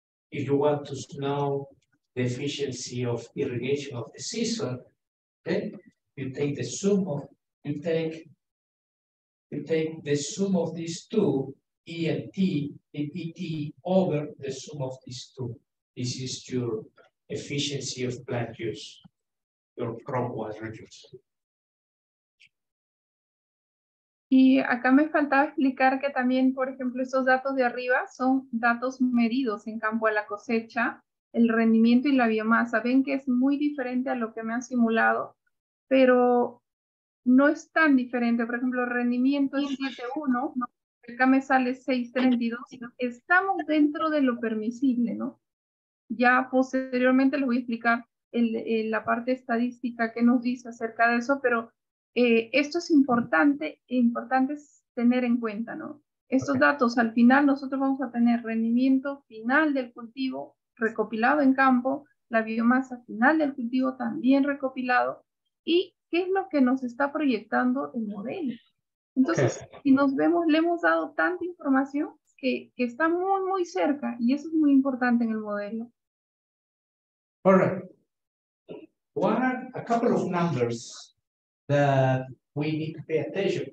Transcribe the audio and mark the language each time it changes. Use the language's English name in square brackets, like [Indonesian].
[English] If you want to know the efficiency of irrigation of the season, then you take the sum of, you take the sum of these two, E and T, and ET over the sum of these two. This is your efficiency of plant use, your crop water use. [Spanish] Y acá me faltaba explicar que también, por ejemplo, esos datos de arriba son datos medidos en campo a la cosecha, el rendimiento y la biomasa. Ven que es muy diferente a lo que me han simulado, pero no es tan diferente. Por ejemplo, rendimiento es 7.1, ¿no? Acá me sale 6.32. Estamos dentro de lo permisible, ¿no? Ya posteriormente les voy a explicar la parte estadística que nos dice acerca de eso, pero... esto es importante, importante es tener en cuenta, ¿no? Estos okay. datos, al final nosotros vamos a tener rendimiento final del cultivo recopilado en campo, la biomasa final del cultivo también recopilado, y qué es lo que nos está proyectando el modelo. Entonces, okay. si nos vemos, le hemos dado tanta información que está muy, muy cerca, y eso es muy importante en el modelo. [English] All right. A couple of numbers that we need to pay attention.